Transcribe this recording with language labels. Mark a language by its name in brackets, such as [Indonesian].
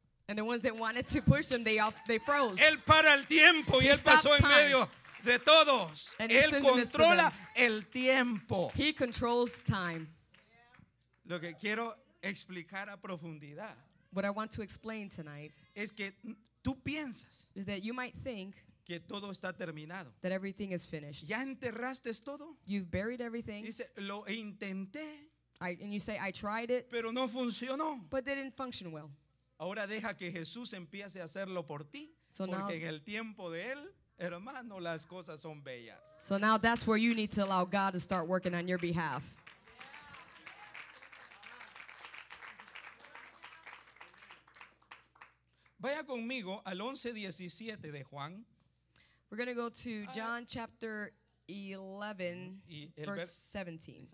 [English] and the ones that wanted to push him, they froze. [Spanish] Él para el tiempo y él pasó en medio de todos. Él controla el tiempo. [English] He controls time. [Spanish] Lo que quiero explicar a profundidad. [English] What I want to explain tonight. [Spanish] Es que tú piensas. [English] Is that you might think. [Spanish] Que todo está terminado. [English] That everything is finished. [Spanish] ¿Ya enterraste todo? [English] You've buried everything. [Spanish] Dice, lo intenté. [English] And you say, I tried it. [Spanish] Pero no funcionó. [English] But it didn't function well. [Spanish] Ahora deja que Jesús empiece a hacerlo por ti. [English] So [Spanish] porque [English] now, [Spanish] en el tiempo de Él, hermano, las cosas son bellas. [English] So now that's where you need to allow God to start working on your behalf. [Spanish] Vaya conmigo al 11:17 de Juan. [English] We're going to go to John chapter 11, verse 17.